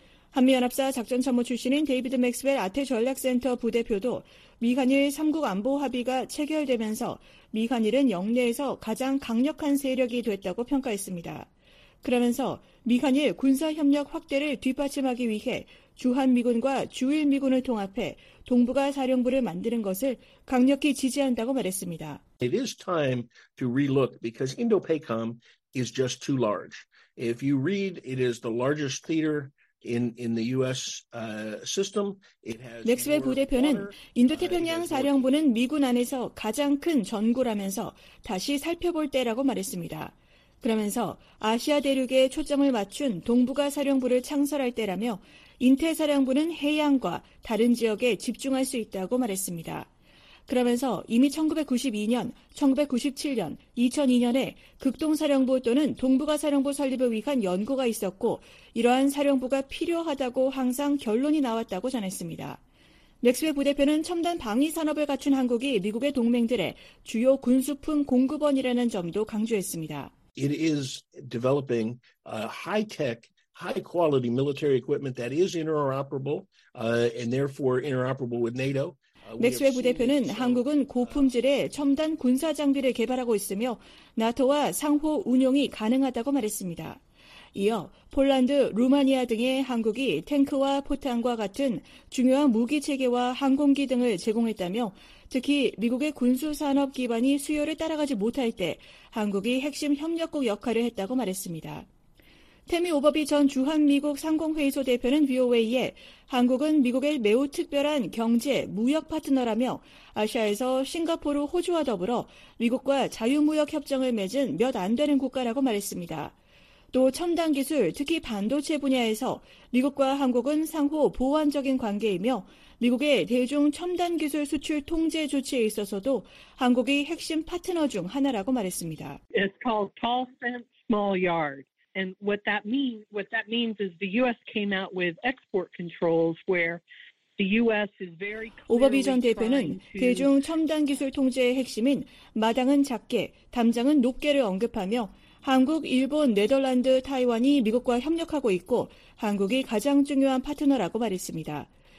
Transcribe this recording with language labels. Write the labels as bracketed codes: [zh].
[ko] 한미연합사 작전참모 출신인 데이비드 맥스웰 아태 전략센터 부대표도 미한일 3국 안보 합의가 체결되면서 미한일은 영내에서 가장 강력한 세력이 됐다고 평가했습니다. 그러면서 미한일 군사협력 확대를 뒷받침하기 위해 주한미군과 주일미군을 통합해 동북아 사령부를 만드는 것을 강력히 지지한다고 말했습니다. [en] It is time to relook because Indo-PACOM is just too large. If you read, it is the largest theater in the U.S. system. [ko] 맥스웰 부대표는 인도태평양 사령부는 미군 안에서 가장 큰 전구라면서 다시 살펴볼 때라고 말했습니다. 그러면서 아시아 대륙에 초점을 맞춘 동북아 사령부를 창설할 때라며 인태 사령부는 해양과 다른 지역에 집중할 수 있다고 말했습니다. 그러면서 이미 1992년, 1997년, 2002년에 극동사령부 또는 동북아사령부 설립을 위한 연구가 있었고 이러한 사령부가 필요하다고 항상 결론이 나왔다고 전했습니다. 맥스웰 부대표는 첨단 방위산업을 갖춘 한국이 미국의 동맹들의 주요 군수품 공급원이라는 점도 강조했습니다. [en] It is developing high-tech, high-quality military equipment that is interoperable and therefore interoperable with NATO. [ko] 맥스웰 부대표는 한국은 고품질의 첨단 군사 장비를 개발하고 있으며 나토와 상호 운용이 가능하다고 말했습니다. 이어 폴란드, 루마니아 등의 한국이 탱크와 포탄과 같은 중요한 무기체계와 항공기 등을 제공했다며 특히 미국의 군수산업 기반이 수요를 따라가지 못할 때 한국이 핵심 협력국 역할을 했다고 말했습니다. 태미 오버비 전 주한미국 상공회의소 대표는 VOA에 한국은 미국의 매우 특별한 경제, 무역 파트너라며 아시아에서 싱가포르, 호주와 더불어 미국과 자유무역협정을 맺은 몇 안 되는 국가라고 말했습니다. 또 첨단 기술, 특히 반도체 분야에서 미국과 한국은 상호 보완적인 관계이며 미국의 대중 첨단 기술 수출 통제 조치에 있어서도 한국이 핵심 파트너 중 하나라고 말했습니다. [en] It's called tall fence, small yard. And what that means is the U.S. came out with export controls where [ko] 오바비 전 대표는 대중 첨단 기술 통제의 핵심인 마당은 작게, 담장은 높게를 언급하며 한국, 일본, 네덜란드, 타이완이 미국과 협력하고 있고 한국이 가장 중요한 파트너라고 말했습니다.